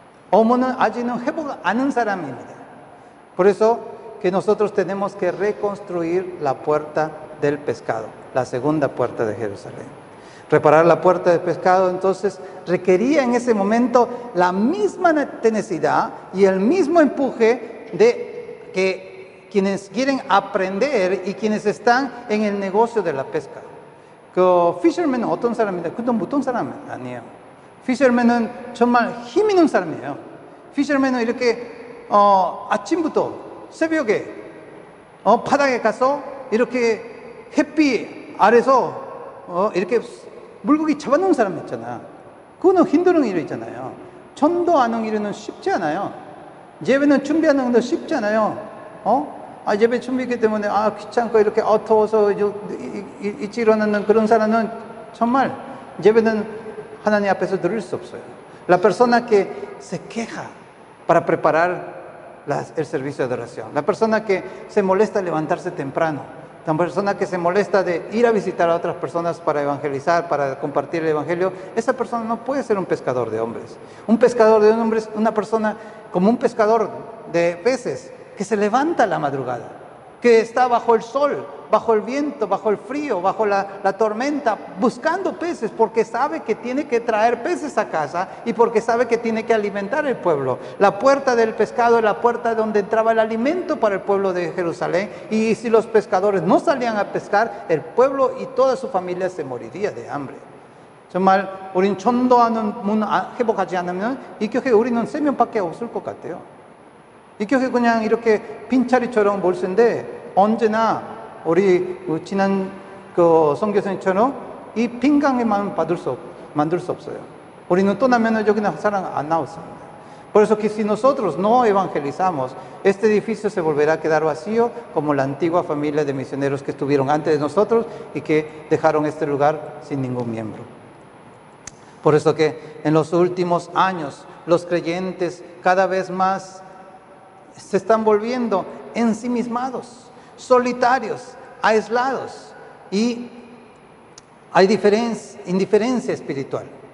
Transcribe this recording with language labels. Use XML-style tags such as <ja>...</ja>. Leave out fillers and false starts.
<ko>어머는 아직은 회복 안은 사람입니다.</ko> <es>Por eso que nosotros tenemos que reconstruir la puerta del pescado, la segunda puerta de Jerusalén. Reparar la puerta del pescado entonces requería en ese momento la misma tenacidad y el mismo empuje de que quienes quieren aprender y quienes están en el negocio de la pesca.</es> <ko>Que fishermen 어떤 사람입니다. 그건 보통 사람 아니에요. Fisherman은 정말 힘 있는 사람이에요. Fisherman은 이렇게 아침부터 새벽에 바닥에 가서 이렇게 햇빛 아래서 이렇게 물고기 잡아놓은 사람 있잖아. 그거는 힘든 일이 있잖아요. 전도하는 일은 쉽지 않아요. 예배는 준비하는 것도 쉽지 않아요. 예배 준비했기 때문에 귀찮고 이렇게 더워서 일찍 일어나는 그런 사람은 정말 예배는 하나님 앞에서 들을 수 없어요.</ko> <es>La persona que se queja para preparar el servicio de adoración. La persona que se molesta levantarse temprano. La persona que se molesta de ir a visitar a otras personas para evangelizar, para compartir el evangelio. Esa persona no puede ser un pescador de hombres. Un pescador de hombres, una persona como un pescador de peces que se levanta a la madrugada, que está bajo el sol, bajo el viento, bajo el frío, bajo la tormenta, buscando peces porque sabe que tiene que traer peces a casa y porque sabe que tiene que alimentar el pueblo. La puerta del pescado es la puerta donde entraba el alimento para el pueblo de Jerusalén, y si los pescadores no salían a pescar, el pueblo y toda su familia se moriría de hambre.</es> <ko>정말 우린 전도하는 문 회복하지 않으면 이 교회 우리는 세 명밖에 없을 것 같아요. 이 교회 그냥 이렇게 빈자리처럼 볼 텐데 언제나 우리 지난 그 선교사님처럼 이 빈강에만 만들 수 없어요. 우리는 떠나면 여기는 사람 안 나왔습니다.</ko> <es>Por eso que si nosotros no evangelizamos, este edificio se volverá a quedar vacío como la antigua familia de misioneros que estuvieron antes de nosotros y que dejaron este lugar sin ningún miembro. Por eso que en los últimos años los creyentes cada vez más se están volviendo ensimismados, solitarios, aislados, y hay indiferencia espiritual.</es>